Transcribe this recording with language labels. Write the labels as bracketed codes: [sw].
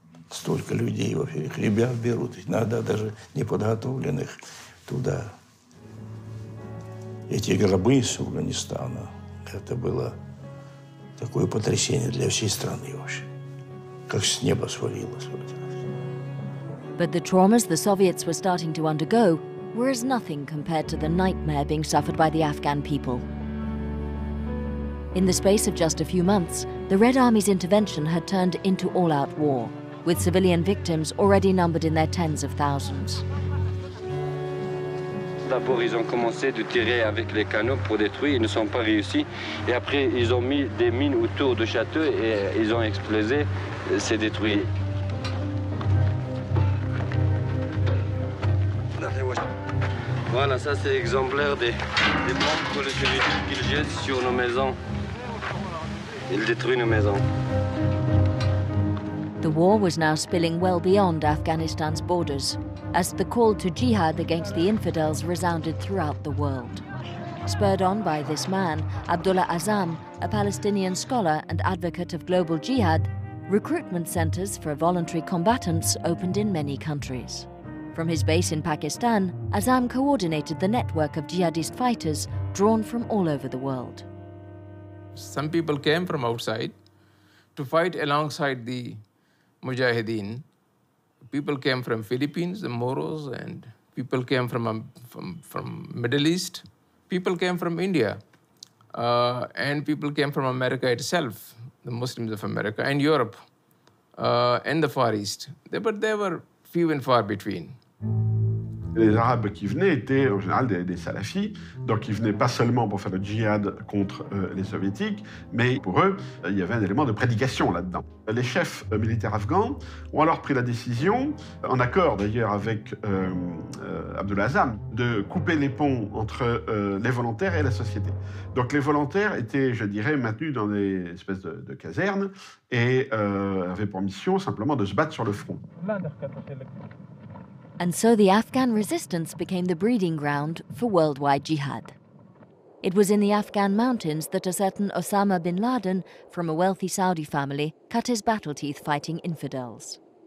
[ru] Столько людей, во-первых, ребят берут, иногда даже неподготовленных туда. Эти гробы из Афганистана, это было такое потрясение для всей страны вообще. Как с неба свалилось вот. [en] But the traumas the Soviets were starting to undergo were as nothing compared to the nightmare being suffered by the Afghan people. In the space of just a few months, the Red Army's intervention had turned into all-out war, with civilian victims already numbered in their tens of thousands. [fr] D'abord, ils ont commencé de tirer avec les canons pour détruire. Ils ne sont pas réussis. Et après, ils ont mis des mines autour du château et ils ont explosé. C'est détruit. Voilà, ça c'est exemplaire des bombes que les soviétiques qu'ils jettent sur nos maisons. Ils détruisent nos maisons. [en] The war was now spilling well beyond Afghanistan's borders, as the call to jihad against the infidels resounded throughout the world. Spurred on by this man, Abdullah Azam, a Palestinian scholar and advocate of global jihad, recruitment centers for voluntary combatants opened in many countries. From his base in Pakistan, Azam coordinated the network of jihadist fighters drawn from all over the world. Some people came from outside to fight alongside the Mujahideen. People came from Philippines, the Moros, and people came from Middle East. People came from India, and people came from America itself, the Muslims of America, and Europe, and the Far East. But they were few and far between. [fr] Les Arabes qui venaient étaient en général des salafis, donc ils venaient pas seulement pour faire le djihad contre les soviétiques, mais pour eux, il y avait un élément de prédication là-dedans. Les chefs militaires afghans ont alors pris la décision, en accord d'ailleurs avec Abdullah Azam, de couper les ponts entre les volontaires et la société. Donc les volontaires étaient, je dirais, maintenus dans des espèces de casernes et avaient pour mission simplement de se battre sur le front. [en] And so the Afghan resistance became the breeding ground for worldwide jihad. It was in the Afghan mountains that a certain Osama bin Laden, from a wealthy Saudi family, cut his battle teeth fighting infidels.